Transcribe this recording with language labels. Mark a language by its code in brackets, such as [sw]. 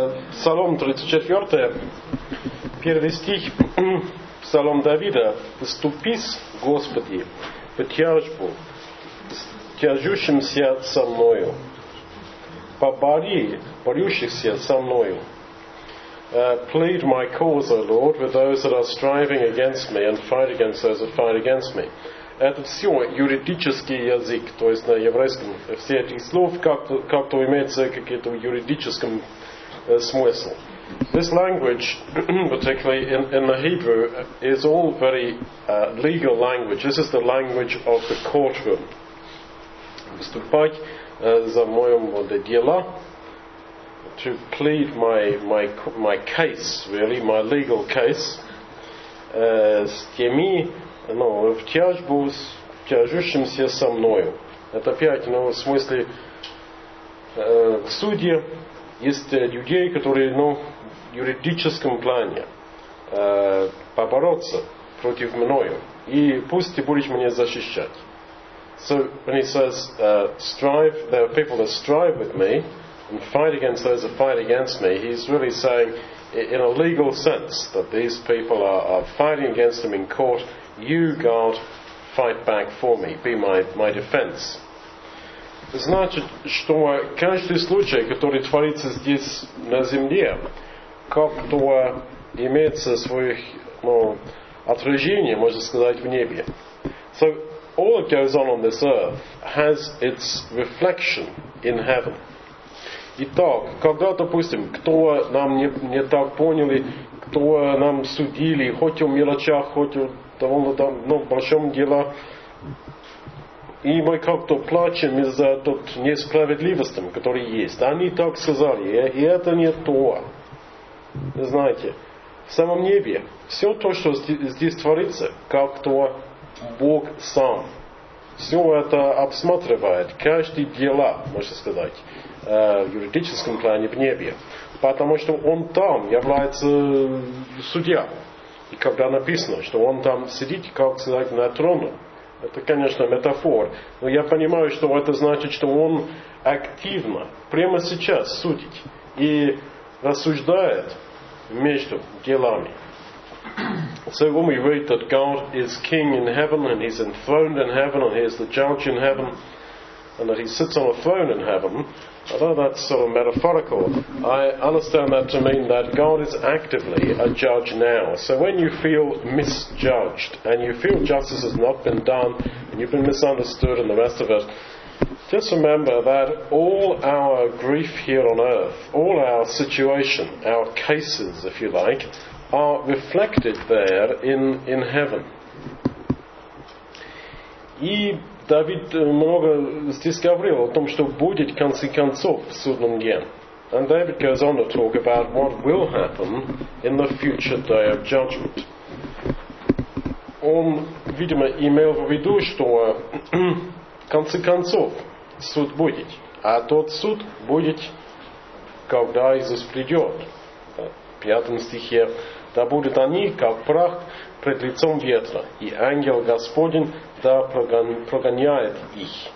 [ru] Псалом 34, первый стих, Псалом Давида. «Вступись, Господи, в тяжбу, с тяжущимся со мною, побори борющихся со мною. [en] Plead my cause, O Lord, with those that are striving against me, and fight against those that fight against me». [ru] Это все юридический язык, то есть на еврейском. Все эти слова как-то имеются в каком-то юридическом смысле. [en] This language, particularly in the Hebrew, is all very legal language. This is the language of the courtroom. [ru] Выступать за моё дело, [en] to plead my case, really, my legal case, [ru] с теми, ну, в тяжбу с тяжущимся со мною. Это опять, ну, в смысле, судьи, есть людей, которые, ну, в юридическом плане побороться против мною, и пусть ты будешь меня защищать. [en] So, when he says, strive, there are people that strive with me, and fight against those that fight against me, he's really saying, in a legal sense, that these people are fighting against him in court, you, God, fight back for me, be my defense. [ru] Значит, что каждый случай, который творится здесь на земле, как-то имеется своих, ну, отражение, можно сказать, в небе. [en] So, all that goes on this earth has its reflection in heaven. [ru] Итак, когда, допустим, кто нам не так понял, кто нам судили, хоть в мелочах, хоть в довольно там, ну, большом деле, и мы как-то плачем из-за тот несправедливости, которая есть. Они так сказали, и это не то. Знаете, в самом небе все то, что здесь творится, как-то Бог сам. Все это обсматривает, каждое дело, можно сказать, в юридическом плане в небе. Потому что он там является судья. И когда написано, что он там сидит, как сказать, на трону, это, конечно, метафора. Но я понимаю, что это значит, что он активно, прямо сейчас судит и рассуждает между делами. [en] So when we read that God is king in heaven, and he's enthroned in heaven, and he is the judge in heaven, and that he sits on a throne in heaven, although that's sort of metaphorical, I understand that to mean that God is actively a judge now. So when you feel misjudged, and you feel justice has not been done, and you've been misunderstood and the rest of it, just remember that all our grief here on earth, all our situation, our cases, if you like, are reflected there in heaven. [ru] И Давид много здесь говорил о том, что будет в конце концов в судном дне. [en] And David goes on to talk about what will happen in the future day of judgment. [ru] Он, видимо, имел в виду, что в конце концов суд будет. А тот суд будет, когда Иисус придет. В пятом стихе. Да будут они, как прах пред лицом ветра, и ангел Господень да прогоняет их.